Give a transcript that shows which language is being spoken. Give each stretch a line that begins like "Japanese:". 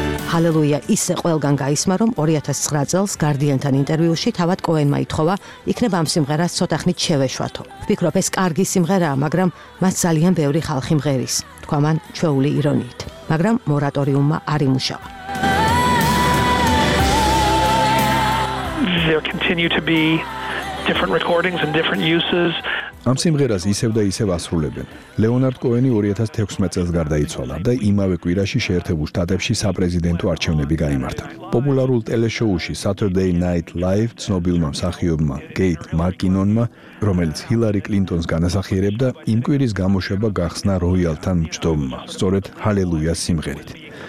Georgian: Halleluja ისე ყველგან გაისმა, რომ 2009 წელს Guardian-თან ინტერვიუში თავად კოენმა ითხოვა, იქნებ ამ სიმღერას ცოტახნით შევეშვათო. ვფიქრობ, ეს კარგი სიმღერაა, მაგრამ მას ძალიან ბევრი ხალხი მღერის, თქვა მან ჩვეული ირონიით. მაგრამ მორატორიუმმა არ იმუშავა.
English: There continue to be different recordings and different uses.
Georgian: ამ სიმღერას ისევ და ისევ ასრულებენ. ლეონარდ კოენი 2016 წელს გარდაიცვალა და იმავე კვირაში შეერთებულ შტატებში საპრეზიდენტო არჩევნები გაიმართა. პოპულარულ ტელეშოუში Saturday Night Live ცნობილმა მსახიობმა Gate McKinnon-მა, რომელიც Hillary Clinton-ს განასახიერებდა, იმ კვირის გამოშვება გახსნა Royal-თან მჯდომმა, სწორედ Halleluja სიმღერით.